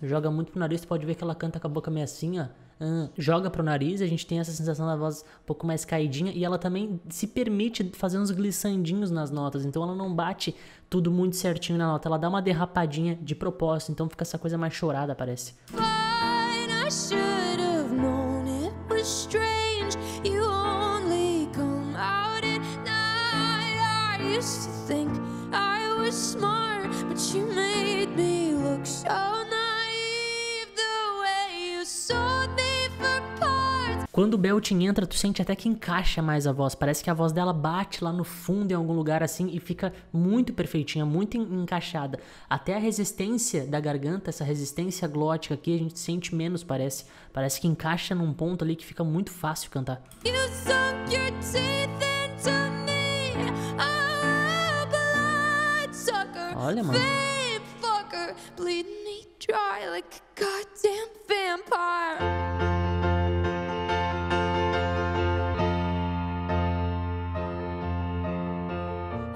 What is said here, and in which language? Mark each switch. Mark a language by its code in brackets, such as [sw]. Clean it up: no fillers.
[pt] Joga muito pro nariz, pode ver que ela canta com a boca meio assim, ó. Joga pro nariz, a gente tem essa sensação da voz um pouco mais caidinha. E ela também se permite fazer uns glissandinhos nas notas. Então ela não bate tudo muito certinho na nota. Ela dá uma derrapadinha de propósito. Então fica essa coisa mais chorada, parece. [en] I should have known it was strange. You only come out at night. I used to think I was smart, but you made me look so naive. The way you sold me for parts. [pt] Quando o Belting entra, tu sente até que encaixa mais a voz. Parece que a voz dela bate lá no fundo em algum lugar assim e fica muito perfeitinha, muito encaixada. Até a resistência da garganta, essa resistência glótica aqui, a gente sente menos, parece. Parece que encaixa num ponto ali que fica muito fácil cantar. [en] You sunk your teeth into me, a bloodsucker. [pt] Olha, mano. [en] Vamp fucker, bleed me dry like a goddamn vampire.